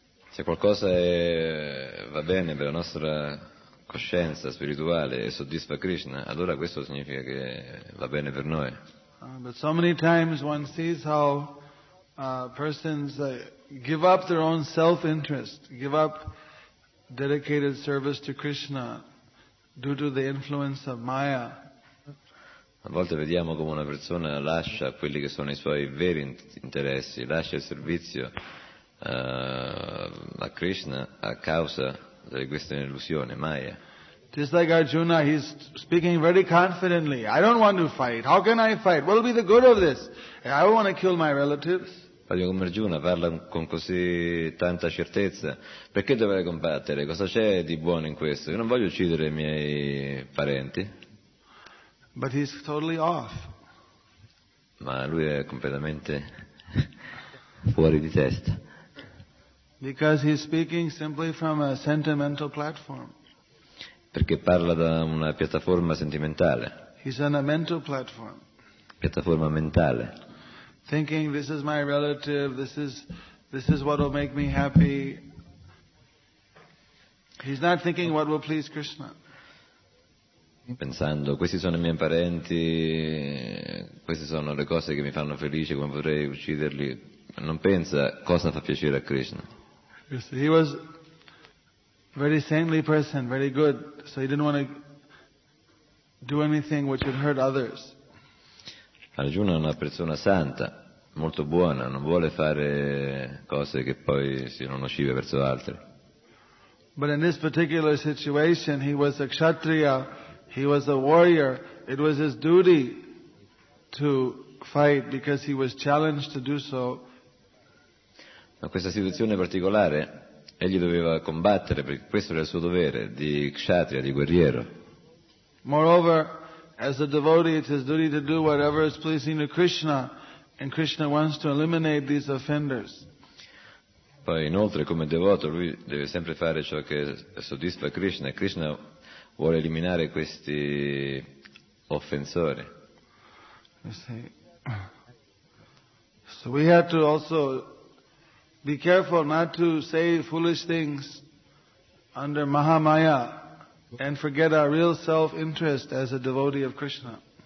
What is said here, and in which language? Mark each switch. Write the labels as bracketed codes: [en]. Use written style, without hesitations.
[it] Se qualcosa va bene per la nostra coscienza spirituale e soddisfa Krishna, allora questo significa che va bene per noi. [en] But so many times one sees how persons give up their own self-interest, give up dedicated service to Krishna due to the influence of Maya. [it] A volte vediamo come una persona lascia quelli che sono i suoi veri interessi, lascia il servizio a Krishna a causa di questa illusione Maya. [en] Just like Arjuna, he's speaking very confidently. I don't want to fight. How can I fight? What will be the good of this? I don't want to kill my relatives. [it] Come Arjuna parla con così tanta certezza. Perché dovrei combattere? Cosa c'è di buono in questo? Io non voglio uccidere i miei parenti. [en] But he's totally off. [it] Ma lui è completamente fuori di testa. [en] Because he's speaking simply from a sentimental platform. [it] Perché parla da una piattaforma sentimentale. [en] He's on a mental platform. [it] Piattaforma mentale. [en] Thinking this is my relative, this is what will make me happy. He's not thinking what will please Krishna. [it] Pensando, questi sono i miei parenti, queste sono le cose che mi fanno felice, come potrei ucciderli. Non pensa cosa fa piacere a Krishna. [en] He was a very saintly person, very good, so he didn't want to do anything which would hurt others. [it] Arjuna è una persona santa, molto buona, non vuole fare cose che poi siano nocive verso altri. [en] But in this particular situation, he was a kshatriya, he was a warrior, it was his duty to fight because he was challenged to do so. [it] Ma questa situazione particolare, egli doveva combattere, perché questo era il suo dovere, di kshatriya, di guerriero. [en] Moreover, as a devotee, it's his duty to do whatever is pleasing to Krishna, and Krishna wants to eliminate these offenders. [it] Poi inoltre, come devoto, lui deve sempre fare ciò che soddisfa Krishna, e Krishna vuole eliminare questi offensori. [en] So we have to also be careful not to say foolish things under Mahamaya and forget our real self-interest as a devotee of Krishna.